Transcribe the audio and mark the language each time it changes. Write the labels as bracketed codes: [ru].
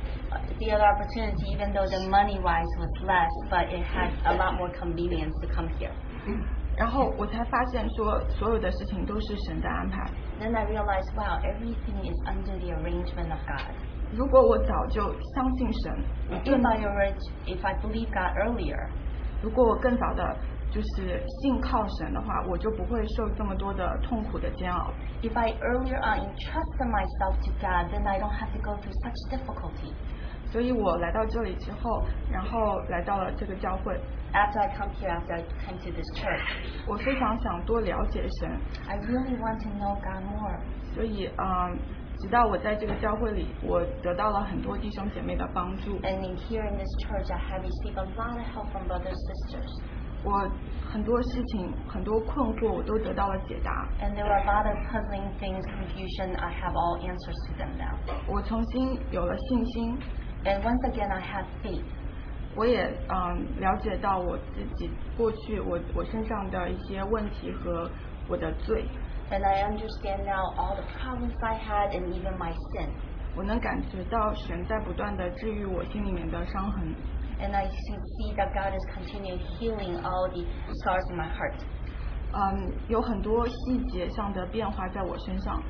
[en] The other opportunity, even though the money wise was less, but it had a lot more convenience to come here. [zh] 然后我才发现说所有的事情都是神的安排。 [en] Then I realized, wow, everything is under the arrangement of God. [zh] 如果我早就相信神, [en] if I believe God earlier, [zh] 如果我更早的就是信靠神的话, 我就不会受这么多的痛苦的煎熬。 [en] If I earlier on entrusted myself to God, then I don't have to go through such difficulty. [zh] 所以我来到这里之后, 然后来到了这个教会。 [en] After I come here, after I come to this church, [zh] 我非常想多了解神。 [en] I really want to know God more. [zh] 所以, 直到我在这个教会里, 我得到了很多弟兄姐妹的帮助。 [en] And in here in this church, I have received a lot of help from brothers and sisters. [zh] 我很多事情, 很多困惑, 我都得到了解答。 [en] And there were a lot of puzzling things, confusion, I have all answers to them now. [zh] 我重新有了信心。 [en] And once again, I have faith. [zh] 我也, 了解到我自己过去我身上的一些问题和我的罪。 [en] And I understand now all the problems I had and even my sin. [zh] 我能感觉到神在不断地治愈我心里面的伤痕。 [en] And I can see that God is continuing healing all the scars in my heart. [zh] 有很多细节上的变化在我身上。